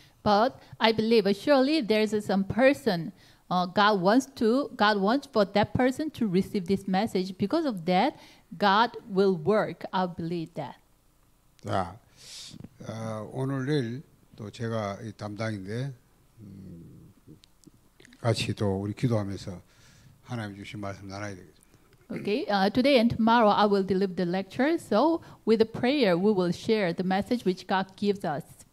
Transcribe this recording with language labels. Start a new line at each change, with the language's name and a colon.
English: But I believe surely there is some person. God wants for that person to receive this message. Because of that, God will work. I believe that.
Korean: 자, 오늘 내일 또 제가 이 담당인데 같이 또 우리 기도하면서 하나님 주신 말씀 나눠야 되겠죠.
English: Okay. Today and tomorrow I will deliver the lecture. So with a prayer, we will share the message which God gives us.